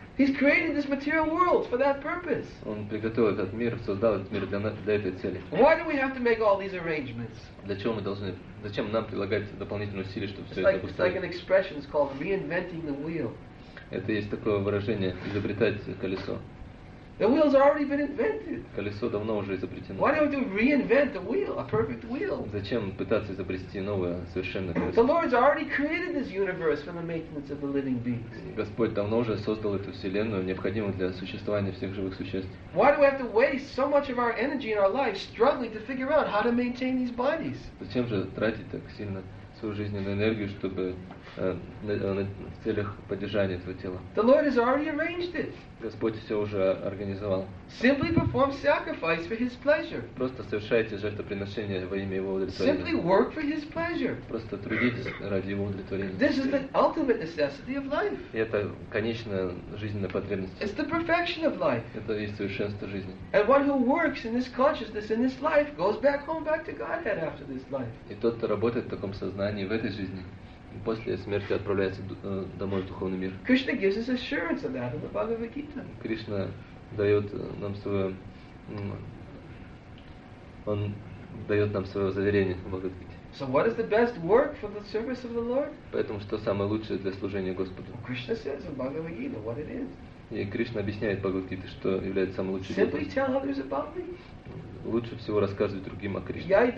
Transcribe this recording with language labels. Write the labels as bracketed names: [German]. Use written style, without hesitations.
[English] He's created this material world for that purpose. [Russian] Он приготовил этот мир, создал этот мир для этой цели. [English] Why do we have to make all these arrangements? [Russian] Для чего мы должны, зачем нам прилагать дополнительные усилия, чтобы всё это устроить? [English] It's like an expression, it's called reinventing the wheel. [Russian] Это есть такое выражение, изобретать колесо. [English] The wheel's already been invented. [Russian] Колесо давно уже изобретено. [English] Why don't we reinvent the wheel, a perfect wheel? [Russian] Зачем пытаться изобрести новое, совершенное колесо? [English] The Lord's already created this universe for the maintenance of the living beings. [Russian] Господь давно уже создал эту вселенную, необходимую для существования всех живых существ. [English] Why do we have to waste so much of our energy in our life struggling to figure out how to maintain these bodies? [Russian] Зачем же тратить так сильно свою жизненную энергию, чтобы в целях поддержания этого тела. [English] The Lord has already arranged it. [Russian] Господь все уже организовал. [English] Simply perform sacrifice for His pleasure. [Russian] Просто совершайте жертвоприношение во имя Его удовлетворения. [English] Simply work for His pleasure. [Russian] Просто трудитесь ради Его удовлетворения. [English] This is the ultimate necessity of life. [Russian] И это конечная жизненная потребность. [English] It's the perfection of life. [Russian] Это есть совершенство жизни. [English] And one who works in this consciousness in this life goes back home back to Godhead after this life. [Russian] И тот, кто работает в таком сознании в этой жизни, после смерти отправляется домой в духовный мир. [English] Krishna gives us assurance of that in the Bhagavad Gita. [Russian] Кришна дает нам свое, он дает нам свое заверение в Бхагавад Гите. [English] So what is the best work for the service of the Lord? [Russian] Поэтому что самое лучшее для служения Господу? [English] Well, Krishna says in Bhagavad Gita what it is. [Russian] И Кришна объясняет Бхагавад Гите, что является самым лучшим. [English] Simply tell others about me. [Russian] Лучше всего рассказывать другим о Кришне.